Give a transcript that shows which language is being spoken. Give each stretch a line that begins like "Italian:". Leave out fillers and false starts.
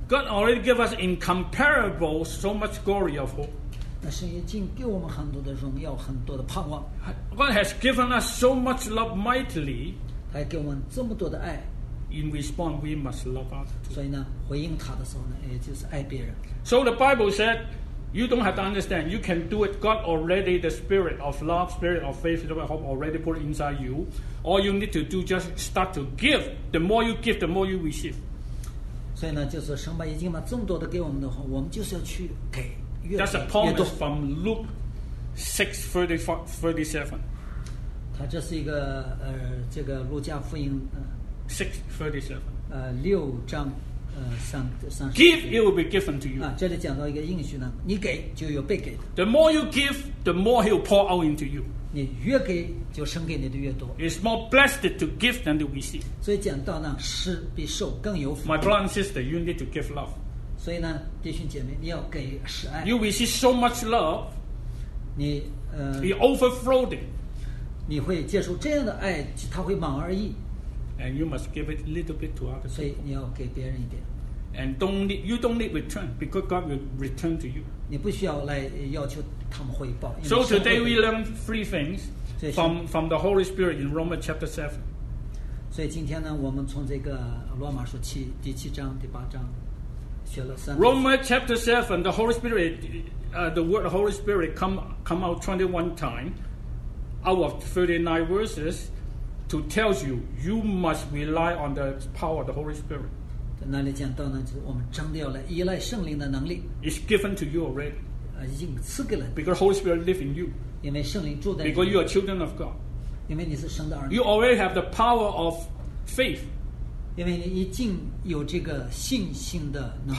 English: God already gave us incomparable so much glory of hope
Chinese: 那神已经给我们很多的荣耀，很多的盼望。
English: God has given us so much love mightily.
Chinese: 他给我们这么多的爱。
English: In response, we must love others.
Chinese: 所以呢，回应他的时候呢，也就是爱别人。
English: So the Bible said, you don't have to understand. You can do it. God already the Spirit of love, Spirit of faith, Spirit of hope already put inside you. All you need to do just start to give. The more you give, the more you receive.
Chinese: 所以呢，就是神把已经把这么多的给我们的话，我们就是要去给，越给越多。
English: That's a promise from Luke 6:37。
Chinese: 它这是一个这个路加福音
English: 6:37。
Chinese: 六章三。
English: Give, it will be given to you。
Chinese: 啊，这里讲到一个应许呢，你给就有被给的。
English: The more you give, the more He will pour out into you。
Chinese: 你越给就生给你的越多。
English: It's more blessed to give than to receive。
Chinese: 所以讲到呢，施比受更有福。
English: My brother and sister, you need to give love。
Chinese: 所以呢，弟兄姐妹，你要给施爱。
English: You receive so much love,
Chinese: 你
English: be overflowing。
Chinese: 你会接受这样的爱，它会满而溢。
English: And you must give it a little bit to others。
Chinese: 所以你要给别人一点。
English: And you don't need return, because God will return to you。
Chinese: 你不需要来要求他们回报。
English: So today we learn three things from the Holy Spirit in Romans chapter 7.
Chinese: 所以今天呢，我们从这个罗马书七第七章第八章学了三。
English: Romans chapter 7, the Holy Spirit, the word Holy Spirit come out 21 times out of 39 verses to tell you, you must rely on the power of the Holy Spirit.
Chinese: 在那里讲到呢，就是我们真的要来依赖圣灵的能力。
English: It's given to you already.
Chinese: 已经赐给了你。
English: Because Holy Spirit lives in you.
Chinese: 因为圣灵住在你。
English: Because you are children of God.
Chinese: 因为你是神的儿女。
English: You already have the power of faith.
Chinese: 因为你已经有这个信心的能力。